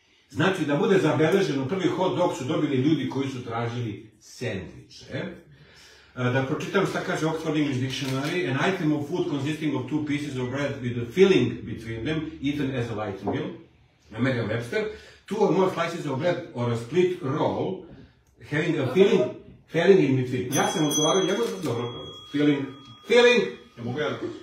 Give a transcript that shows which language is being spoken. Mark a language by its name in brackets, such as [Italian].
[Serbian] Znači, da bude zabeleženo, prvi hot dog su dobili ljudi koji su tražili sendviče. Da pročitam šta kaže [English] Oxford English Dictionary, an item of food consisting of two pieces of bread with a filling between them, eaten as a light meal. [Serbian] Na [English] Merriam-Webster, two or more slices of bread or a split roll, having a filling, filling in between. [Serbian] Ja sam odgovarao njegov, dobro, filling, filling, ne mogu ja da.